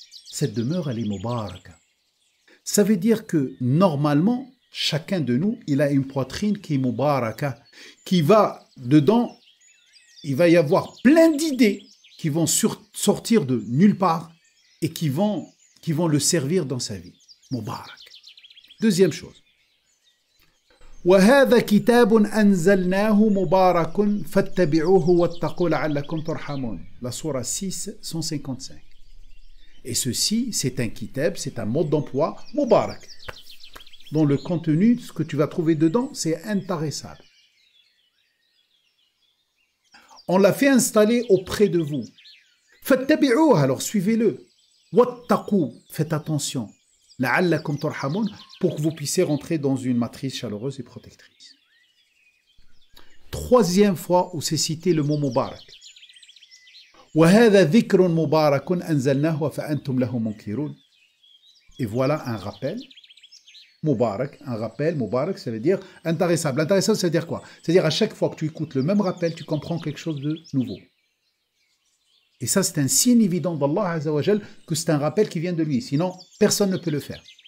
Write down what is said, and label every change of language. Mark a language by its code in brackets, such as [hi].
[fr] Cette demeure, elle est Mubarak. Ça veut dire que normalement, chacun de nous, il a une poitrine qui est Mubarak, qui va dedans, il va y avoir plein d'idées qui vont sortir de nulle part et qui vont le servir dans sa vie. Mubarak. Deuxième chose. [ar] وَهَذَا كِتَابٌ أَنْزَلْنَاهُ مُبَارَكٌ فَاتَّبِعُوهُ وَاتَّقُوا لَعَلَّكُمْ تُرْحَمُونَ [fr] La sourate 6, 155. Et ceci, c'est un kitab, c'est un mode d'emploi, Mubarak, dont le contenu, ce que tu vas trouver dedans, c'est intéressable. On l'a fait installer auprès de vous. [ar] فَاتَّبِعُوهُ [fr] Alors suivez-le. [ar] وَاتَّقُوا [fr] Faites attention. [ar] لَعَلَّكُمْ تُرْحَمُونَ [fr] pour que vous puissiez rentrer dans une matrice chaleureuse et protectrice. Troisième fois où c'est cité le mot Mubarak. [ar] وَهَذَا ذِكْرٌ مُبَارَكٌ أَنْزَلْنَاهُ فَأَنْتُمْ لَهُ مُنْكِرُونَ [fr] Et voilà un rappel. Mubarak, un rappel, Mubarak, ça veut dire intéressable. Intéressable, ça veut dire quoi? C'est-à-dire à chaque fois que tu écoutes le même rappel, tu comprends quelque chose de nouveau. Et ça, c'est un signe évident d'Allah Azza wa Jal que c'est un rappel qui vient de lui. Sinon, personne ne peut le faire.